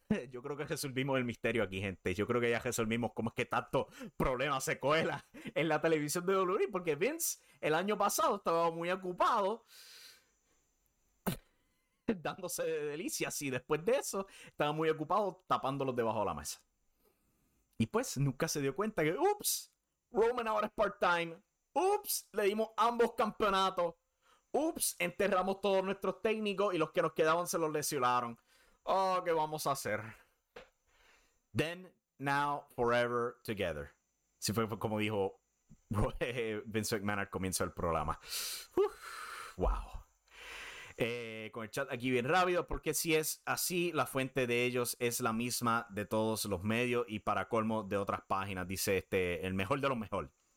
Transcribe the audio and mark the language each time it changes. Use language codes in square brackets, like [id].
[es] Yo creo que resolvimos el misterio aquí, gente. Yo creo que ya resolvimos cómo es que tanto problema se cuela en la televisión de WWE, porque Vince el año pasado estaba muy ocupado dándose de delicias y después de eso estaba muy ocupado tapándolos debajo de la mesa. Y pues nunca se dio cuenta que, ups, Roman ahora es part-time. Ups, le dimos ambos campeonatos. Ups, enterramos todos nuestros técnicos y los que nos quedaban se los lesionaron. Oh, ¿qué vamos a hacer? [en] Then, now, forever, together. [es] Así fue como dijo Vince McMahon al comienzo del programa. Uf, wow. Con el chat aquí bien rápido, porque si es así, la fuente de ellos es la misma de todos los medios y para colmo de otras páginas, dice el mejor de los mejores.